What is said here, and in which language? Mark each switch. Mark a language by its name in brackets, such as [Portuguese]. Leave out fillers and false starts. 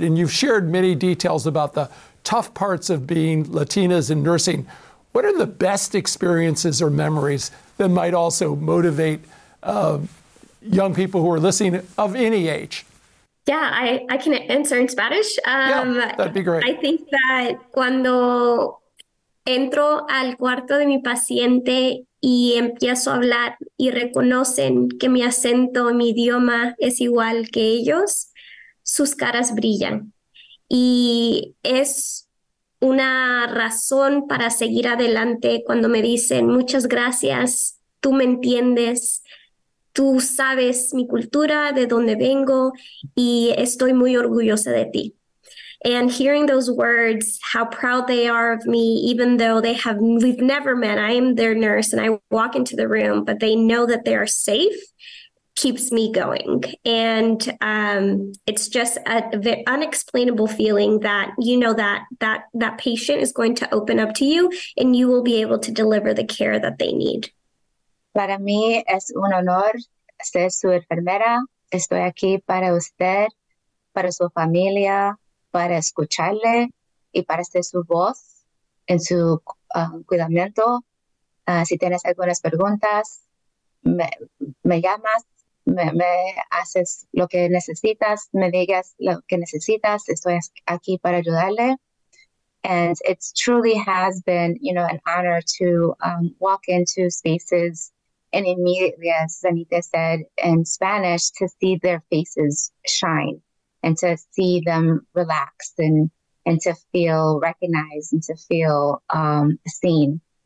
[English] And you've shared many details about the tough parts of being Latinas in nursing. What are the best experiences or memories that might also motivate young people who are listening of any age? Yeah, I can answer in Spanish. Yeah, that'd be great. I think that [Spanish] cuando entro al cuarto de mi paciente y empiezo a hablar y reconocen que mi acento, mi idioma es igual que ellos, sus caras brillan. Y es una razón para seguir adelante cuando me dicen muchas gracias, tú me entiendes, tú sabes mi cultura, de dónde vengo, y estoy muy orgullosa de ti. [English] And hearing those words, how proud they are of me, even though we've never met, I am their nurse and I walk into the room, but they know that they are safe, keeps me going. And it's just an unexplainable feeling that that patient is going to open up to you and you will be able to deliver the care that they need. [Spanish] Para mí es un honor ser su enfermera. Estoy aquí para usted, para su familia, para escucharle y para ser su voz en su cuidamiento. Si tienes algunas preguntas, me llamas, me haces lo que necesitas, me digas lo que necesitas, estoy aquí para ayudarle. [English] And it truly has been, an honor to walk into spaces and immediately, as Anita said, in Spanish, to see their faces shine. And to see them relax and to feel recognized and to feel seen.